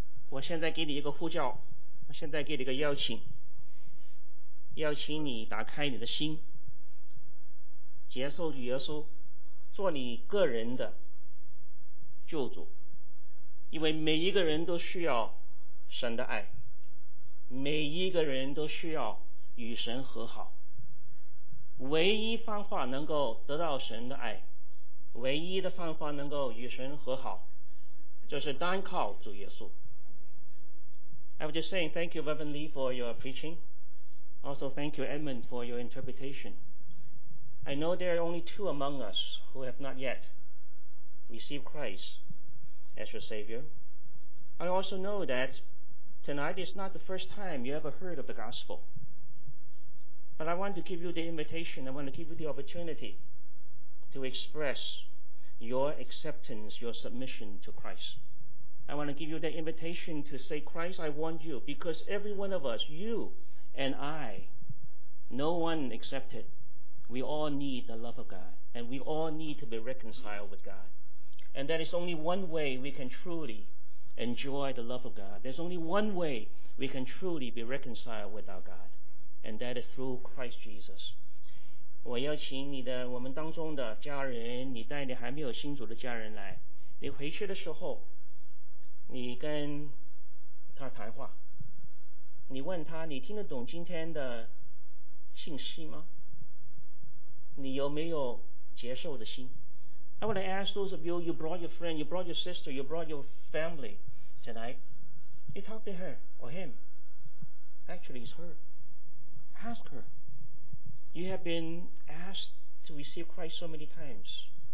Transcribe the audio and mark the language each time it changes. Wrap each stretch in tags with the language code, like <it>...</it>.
<zh>我现在给你一个呼叫，我现在给你一个邀请，邀请你打开你的心，接受主耶稣，做你个人的救主，因为每一个人都需要神的爱，每一个人都需要与神和好。唯一方法能够得到神的爱，唯一的方法能够与神和好，就是单靠主耶稣。</zh> <en>I was just saying thank you Reverend Lee for your preaching. Also thank you Edmund for your interpretation. I know there are only two among us who have not yet received Christ as your Savior. I also know that tonight is not the first time you ever heard of the gospel. But I want to give you the invitation, I want to give you the opportunity to express your acceptance, your submission to Christ. I want to give you the invitation to say, Christ, I want you, because every one of us, you and I, no one except it, we all need the love of God, and we all need to be reconciled with God. And that is only one way we can truly enjoy the love of God. There's only one way we can truly be reconciled with our God, and that is through Christ Jesus.</en> <zh>我邀请你的我们当中的家人，你带你还没有信主的家人来，你回去的时候你跟他谈话，你问他，你听得懂今天的信息吗？你有没有接受的心？</zh> <en>I want to ask those of you, you brought your friend, you brought your sister, you brought your family tonight. You talk to her or him. Actually, it's her. Ask her. You have been asked to receive Christ so many times.</en>